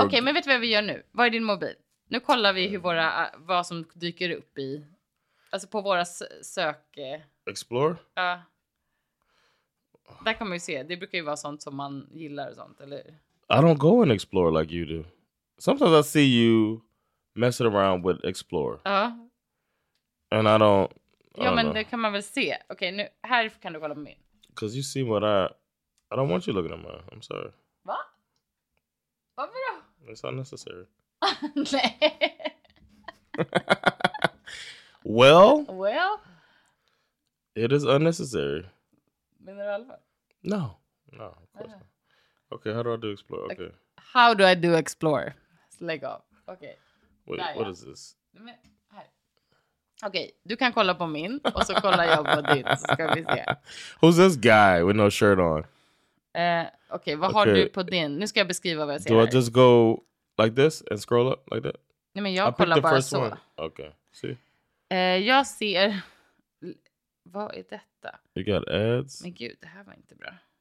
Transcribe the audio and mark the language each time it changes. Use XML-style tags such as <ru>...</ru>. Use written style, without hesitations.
<sv>Okay, men vet vi vad vi gör nu? Vad är din mobil? Nu kollar vi hur våra, vad som dyker upp i, alltså på våra sök.</sv> <en>Explore.</en> <sv>Ja. Där kan man ju se. Det brukar ju vara sånt som man gillar och sånt, eller?</sv> <en>I don't go and explore like you do. Sometimes I see you messing around with explore.</en> <sv>Ja.</sv> <en>And I don't.</en> <sv>Ja, men</sv> <en>know.</en> <sv>Det kan man väl se. Okej, nu här kan du kolla på min.</sv> <en>Cuz you see what I don't want you looking at my. I'm sorry.</en> <sv>Va? Varför då?</sv> <en>It's unnecessary.</en> <sv>Nej.</sv> <en>Well? It is unnecessary.</en> <sv>Men det är allvar.</sv> <en>No. No, of course. Uh-huh. Okay, how do I do explore? Okay. How do I do explore?</en> <sv>Lägg av.</sv> <en>Okay. Wait, där, what is this?</en> <sv>Okej, okay, du kan kolla på min och så kollar jag på din. Så ska vi se.</sv> <en>Who's this guy with no shirt on?</en> <sv>Okej, vad har du på din? Nu ska jag beskriva vad jag ser.</sv> <en>Do I just go like this and scroll up like that?</en> <sv>Nej, men jag kollar bara så.</sv> <en>One. Okay, see?</en> <sv>Jag ser... Vad är detta?</sv> <en>You got ads.</en> <sv>Men gud, det här var inte bra.</sv>